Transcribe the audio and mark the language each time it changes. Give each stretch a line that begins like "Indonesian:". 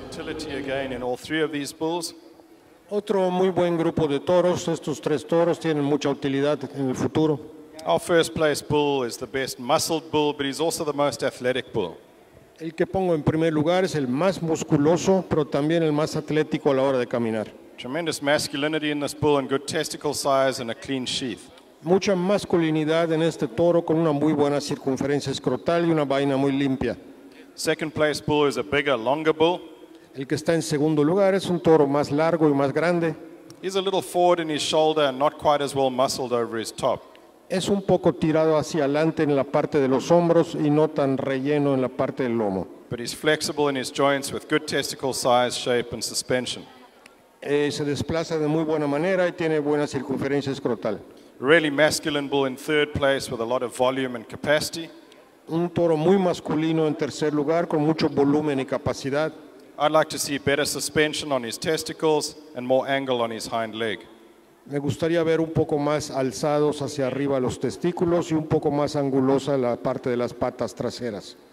English: Utility again in all three of these bulls.
Spanish: Otro muy buen grupo de toros. Estos tres toros tienen mucha utilidad en el futuro.
English: Our first place bull is the best muscled bull, but he's also the most athletic bull.
Spanish: El que pongo en primer lugar es el más musculoso, pero también el más atlético a la hora de caminar.
English: Tremendous masculinity in this bull and good testicle size and a clean sheath.
Spanish: Mucha masculinidad en este toro con una muy buena circunferencia escrotal y una vaina muy limpia.
English: Second place bull is a bigger, longer bull.
Spanish: El que está en segundo lugar es un toro más largo y más grande.
English: He's a little forward in his shoulder and not quite as well muscled over his top.
Spanish: Es un poco tirado hacia adelante en la parte de los hombros y no tan relleno en la parte del lomo.
English: But he's flexible in his joints with good testicle size, shape and suspension.
Spanish: Se desplaza de muy buena manera y tiene buena circunferencia escrotal.
English: Really masculine bull in third place with a lot of volume and capacity.
Spanish: Un toro muy masculino en tercer lugar con mucho volumen y capacidad.
English: I'd like to see better suspension on his testicles and more angle on his hind leg.
Spanish: Me gustaría ver un poco más alzados hacia arriba los testículos y un poco más angulosa la parte de las patas traseras.